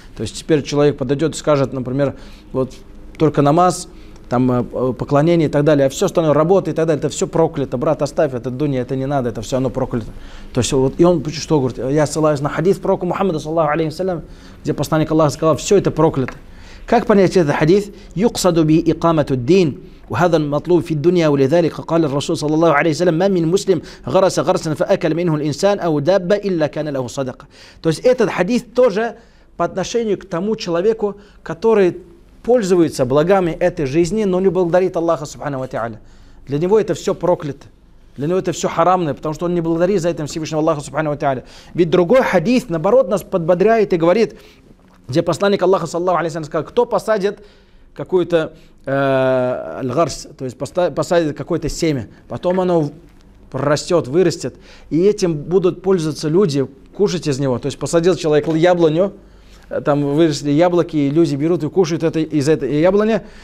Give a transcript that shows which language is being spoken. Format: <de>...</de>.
<ru>То есть теперь человек подойдет и скажет, например, вот только намаз, там поклонение и так далее, а все остальное, работа и так далее, это все проклято. Брат, оставь это дунья, это не надо, это все оно проклято. То есть вот, и он что говорит? Я ссылаюсь на хадис пророка Мухаммада, саллаху алейхи ва саллям, где посланник Аллаха сказал, все это проклято. Как понять этот хадис?</ru> <ar>«Юксаду би икамату дин». وهذا المطلوب في الدنيا ولذلك قال الرسول صلى الله عليه وسلم ما من مسلم غرس غرسا فأكل منه الإنسان أو دابة إلا كان له صدقة.</ar> <ru>То есть этот хадис тоже по отношению к тому человеку, который пользуется благами этой жизни, но не благодарит Аллаха субханаху ва тааля. Для него это все проклято. Для него это все харамное, потому что он не благодарит за это Всевышнего Аллаха субханаху ва тааля. Ведь другой хадис наоборот нас подбодряет и говорит, где посланник Аллаха саллаллаху алейхи ва саллям сказал: кто посадит какую-то аль-гарс, то есть посадит какое-то семя, потом оно прорастет, вырастет, и этим будут пользоваться люди, кушать из него. То есть посадил человек яблоню, там выросли яблоки, и люди берут и кушают это, из этой яблони.</ru>